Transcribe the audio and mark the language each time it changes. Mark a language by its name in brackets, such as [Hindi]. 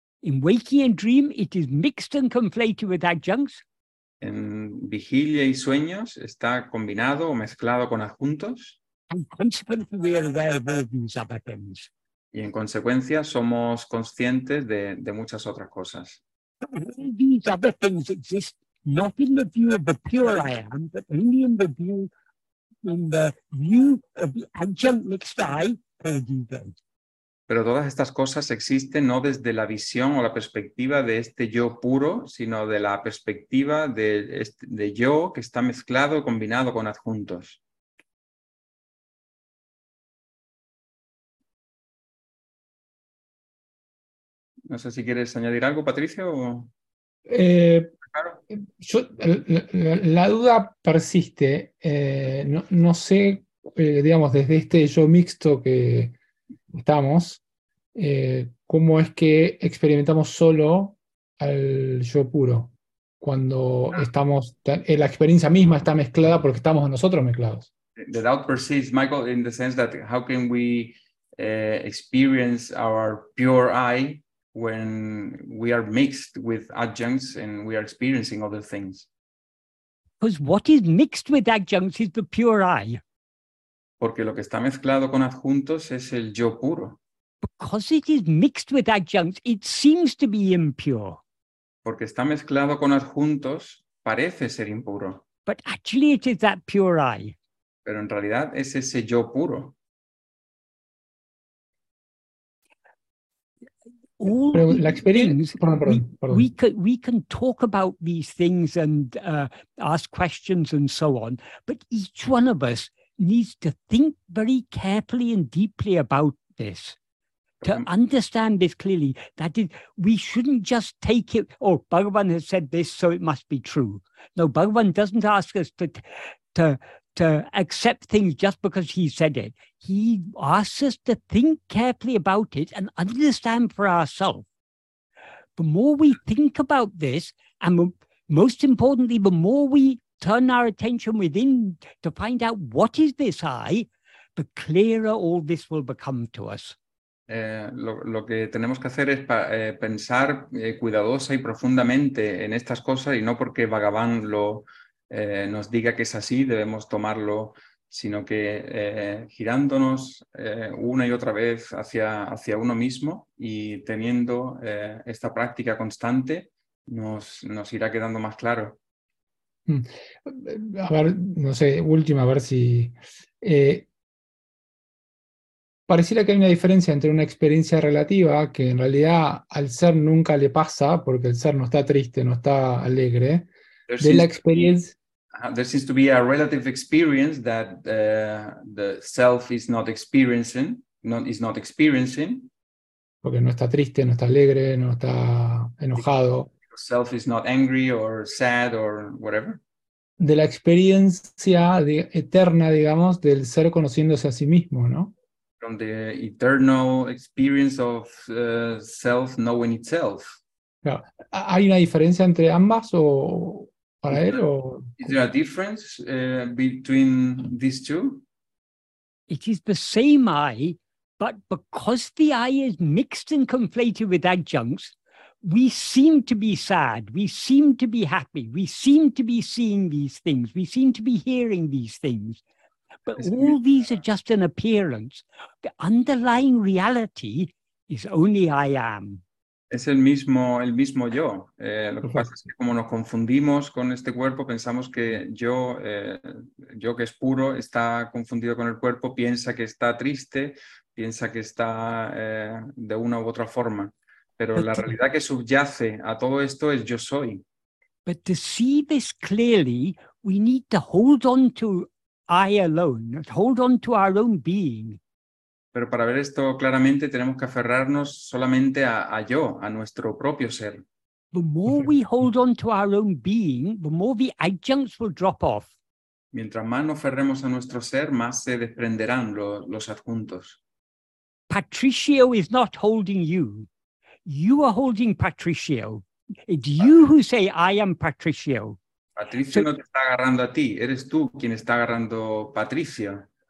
[English] In waking and dream, it is mixed and conflated with adjuncts. [Spanish] En vigilia y sueños está combinado o mezclado con adjuntos. [English] And consequently, we are aware of all these other things. [Spanish] Y en consecuencia, somos conscientes de muchas otras cosas. [English] These other things exist not in the view of the pure I am, but only in the view of the adjunct mixed I, Perdido. [Spanish] Pero todas estas cosas existen no desde la visión o la perspectiva de este yo puro, sino de la perspectiva de yo que está mezclado y combinado con adjuntos. No sé si quieres añadir algo, Patricio. La duda persiste. No sé, digamos, desde este yo mixto que estamos, ¿cómo es que experimentamos solo al yo puro cuando estamos, la experiencia misma está mezclada porque estamos nosotros mezclados? [English] The doubt persists, Michael, in the sense that how can we experience our pure I when we are mixed with adjuncts and we are experiencing other things? Because what is mixed with adjuncts is the pure I. [Spanish] Porque lo que está mezclado con adjuntos es el yo puro. [English] Because it is mixed with adjuncts, it seems to be impure. [Spanish] Porque está mezclado con adjuntos, parece ser impuro. [English] But actually it is that pure I. [Spanish] Pero en realidad es ese yo puro. [English] We can talk about these things and ask questions and so on, but each one of us needs to think very carefully and deeply about this. To understand this clearly, that is, we shouldn't just take it, oh, Bhagavan has said this, so it must be true. No, Bhagavan doesn't ask us to accept things just because he said it. He asks us to think carefully about it and understand for ourselves. The more we think about this, and most importantly, the more we turn our attention within to find out what is this I, the clearer all this will become to us. [Spanish] Lo que tenemos que hacer es pensar cuidadosa y profundamente en estas cosas, y no porque Bhagavan nos diga que es así, debemos tomarlo, sino que girándonos una y otra vez hacia uno mismo y teniendo esta práctica constante, nos irá quedando más claro. A ver, no sé, última, a ver si... Pareciera que hay una diferencia entre una experiencia relativa, que en realidad al ser nunca le pasa, porque el ser no está triste, no está alegre, de la experiencia... [English] There seems to be a relative experience that the self is not experiencing, [Spanish] Porque no está triste, no está alegre, no está enojado. [English] The self is not angry or sad or whatever. [Spanish] De la experiencia eterna, digamos, del ser conociéndose a sí mismo, ¿no? [English] From the eternal experience of self knowing itself. [Spanish] ¿Hay una diferencia entre ambas o para él? [English] Is there a difference between these two? It is the same I, but because the I is mixed and conflated with adjuncts, we seem to be sad, we seem to be happy, we seem to be seeing these things, we seem to be hearing these things. But all these are just an appearance. The underlying reality is only I am. [Spanish] Es el mismo yo. Lo que pasa es que como nos confundimos con este cuerpo, pensamos que yo que es puro está confundido con el cuerpo, piensa que está triste, piensa que está de una u otra forma. Pero la realidad que subyace a todo esto es yo soy. [English] But to see this clearly, we need to hold on to I alone, hold on to our own being. [Spanish] Pero para ver esto claramente tenemos que aferrarnos solamente a yo, a nuestro propio ser. [English] The more we hold on to our own being, the more the adjuncts will drop off. [Spanish] Mientras más nos aferremos a nuestro ser, más se desprenderán los adjuntos. [English] Patricio is not holding you. You are holding Patricio. It's you who say, I am Patricio. [Spanish] Patricio no te está agarrando a ti. Eres tú quien está agarrando Patricio.